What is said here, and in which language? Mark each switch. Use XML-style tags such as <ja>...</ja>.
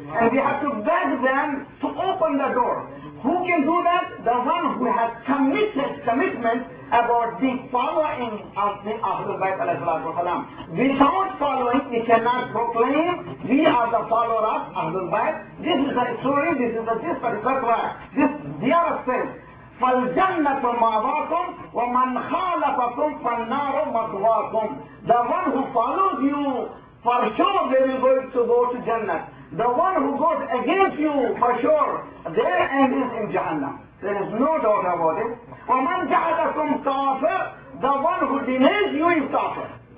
<en>And we have to beg them to open the door. Who can do that? The one who has committed commitment about the following of the Ahlul Bayt alayhi salatu wa salam. Without following, we cannot proclaim we are the follower of Ahlul Bayt. This is the story, this is the gist of the Qatwa. This ziyarat says,</en> <ar>فَالْجَنَّةُ مَعْوَاكُمْ وَمَنْ خَالَفَكُمْ فَالنَّارُ مَقْوَاكُمْ.</ar> <en>The one who follows you, for sure they will go to go to Jannah. The one who goes against you, for sure, their end is in Jahannam. There is no doubt about it.</en> <ar>وَمَنْ جَعَلَكُمْ كَافِرْ</ar> <en>The one who denies you is kafir.</en>